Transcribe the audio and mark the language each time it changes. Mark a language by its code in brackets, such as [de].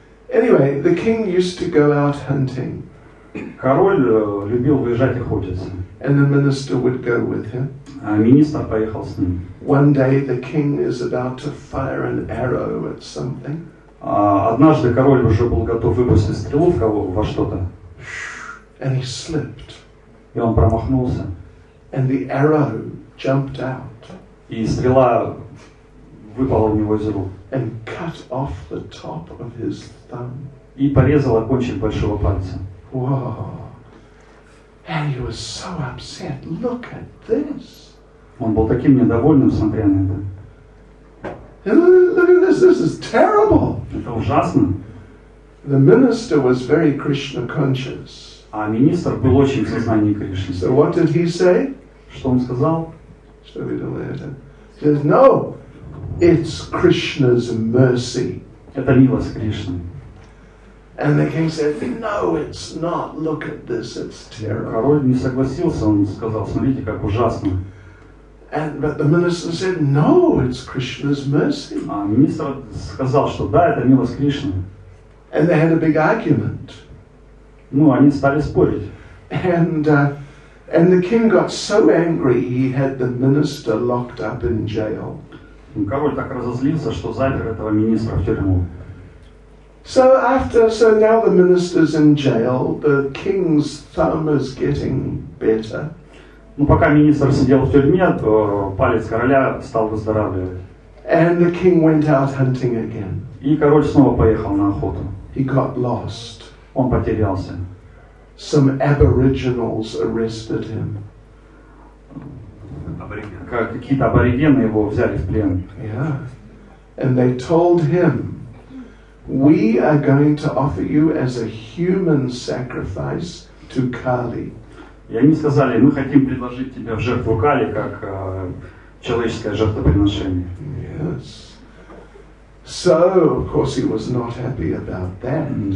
[en] Anyway, the king used to go out hunting. [ru] Король любил выезжать охотиться. [en] And the minister would go with him. [ru] А министр поехал с ним. [en] One day the king is about to fire an arrow at something. [ru] А однажды король уже был готов выпустить стрелу в кого во что-то. [en] And he slipped. [ru] И он промахнулся. [en] And the arrow jumped out. [ru] И стрела выпала у него из рук. [en] And cut off the top of his thumb. [ru] И порезала кончик большого пальца. [en] Whoa. And he was so upset. Look at this. [ru] Он был таким недовольным, смотря на это. [en] Look at this. This is terrible. [ru] Это ужасно. [en] The minister was very Krishna conscious. [ru] А министр был очень в сознании Кришны. [en] So what did he say? [ru] Что он сказал? Что вы думаете? [en] He says, no, it's Krishna's mercy. [ru] Это милость Кришны. [en] And the king said, "No, it's not. Look at this. It's terrible." [ru] Король не согласился. Он сказал: "Смотрите, как ужасно." [en] And but the minister said, "No, it's Krishna's mercy." [ru] А министр сказал, что да, это милость Кришны. [en] And they had a big argument. [ru] Ну, они стали спорить. [en] And the king got so angry, he had the minister locked up in jail. [ru] Король так разозлился, что запер этого министра в тюрьму. [en] So now the minister's in jail, the king's thumb is getting better. [ru] Ну, пока министр сидел в тюрьме, то палец короля стал выздоравливать. [en] And the king went out hunting again. [ru] И король снова поехал на охоту. [en] He got lost. [ru] Он потерялся. [en] Some aboriginals arrested him. [ru] Какие-то аборигены его взяли в плен. [en] Yeah. And they told him, we are going to offer you as a human sacrifice to Kali. [ru] И они сказали, мы хотим предложить тебя в жертву Кали, как человеческое жертвоприношение. [en] Yes. So, of course, he was not happy about that.